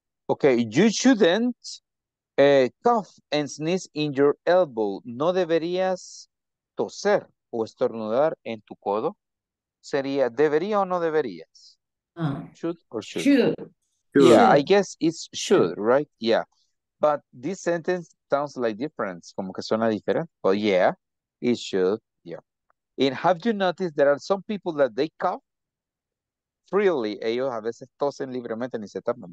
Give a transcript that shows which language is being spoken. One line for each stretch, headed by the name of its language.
English: Okay, you shouldn't cough and sneeze in your elbow.
Spanish: No deberías toser o estornudar en tu codo. Sería debería o no deberías.
English: Should or should. Should. Yeah, should. I guess it's should, right? Yeah. But this sentence sounds like different,
Spanish: como que suena diferente.
English: But yeah, it should, yeah. And have you noticed there are some people that they cough freely?
Spanish: Ellos a veces tosen libremente ni se tapan.